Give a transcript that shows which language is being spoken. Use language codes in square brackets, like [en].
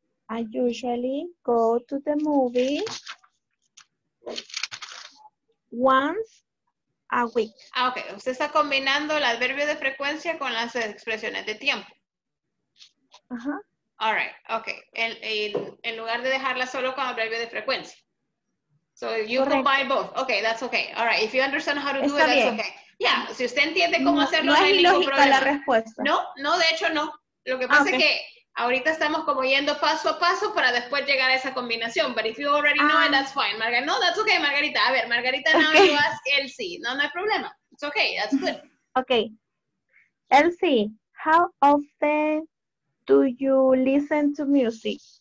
[en] I usually go to the movie once a week. Ah, okay. [es] Usted está combinando el adverbio de frecuencia con las expresiones de tiempo. Uh-huh. [en] All right. Okay. [es] En lugar de dejarla solo con adverbio de frecuencia. [en] So you [es] correcto. [en] Combine both. Okay, that's okay. All right. If you understand how to [es] está [en] do it, [es] bien. [en] That's okay. Yeah. [es] Si usted entiende cómo hacerlo, no es ilógica la respuesta. No, de hecho no. Lo que pasa okay. Es que ahorita estamos como yendo paso a paso para después llegar a esa combinación. [en] But if you already know it, that's fine. No, that's okay, Margarita. [es] A ver, [en] Margarita, now okay. You ask Elsie. [es] No hay problema. [en] It's okay. That's good. Okay. Elsie, how often do you listen to music?